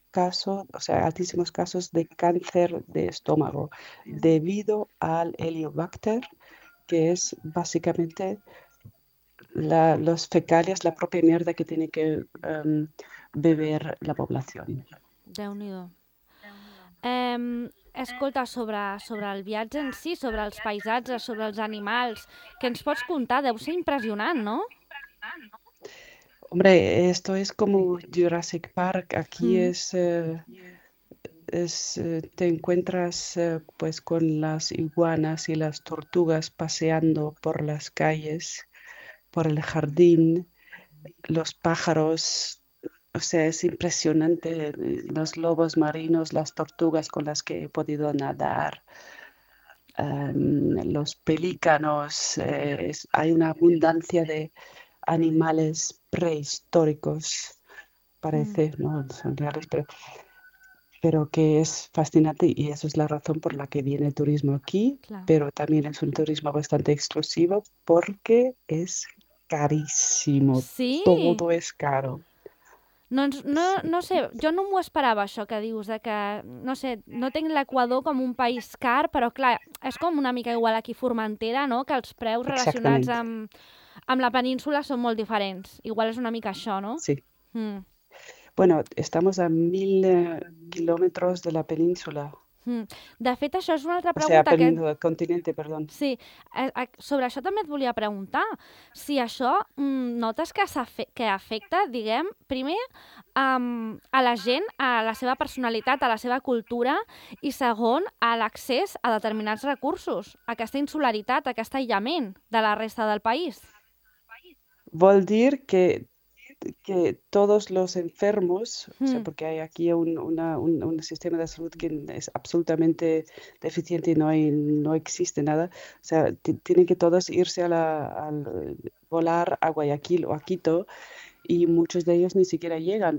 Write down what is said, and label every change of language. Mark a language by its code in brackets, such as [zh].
[es] casos, o sea, altísimos casos de cáncer de estómago debido al Helicobacter, que es básicamente los fecales, la propia mierda que tiene que beber la población. [ca] Déu-n'hi-do. Escolta, sobre el viatge en si, sobre els paisatges, sobre els animals, què ens pots contar? Deu ser impressionant, no? [es] Hombre, esto es como Jurassic Park. Aquí te encuentras pues con las iguanas y las tortugas paseando por las calles, por el jardín, los pájaros. O sea, es impresionante. Los lobos marinos, las tortugas con las que he podido nadar, los pelícanos. Hay una abundancia de animales prehistóricos, parece, ¿no? Son reales, pero que es fascinante, y eso es la razón por la que viene el turismo aquí, Claro. pero también es un turismo bastante exclusivo porque es carísimo, Sí. todo es caro. [ca] No, Sí. no sé, jo no m'ho esperava això que dius, de que, no sé, no tinc l'Equador com un país car, però clar, és com una mica igual aquí Formentera, no? Que els preus relacionats Exactament. amb la península són molt diferents. Igual és una mica això, no? [es] Bueno, estamos a 1.000 kilómetros de la península. [ca] De fet, això és una altra [es] O sea, [ca] pregunta que... [es] del continente, perdón. [ca] Sí, sobre això també et volia preguntar. Si això notes que que afecta, diguem, primer a la gent, a la seva personalitat, a la seva cultura, i segon, a l'accés a determinats recursos, aquesta insularitat, aquest aïllament de la resta del país. Vol dir que [es] todos los enfermos, o sea, porque hay aquí un sistema de salud que es absolutamente deficiente y no existe nada, o sea, tienen que todos irse al volar a Guayaquil o a Quito, y muchos de ellos ni siquiera llegan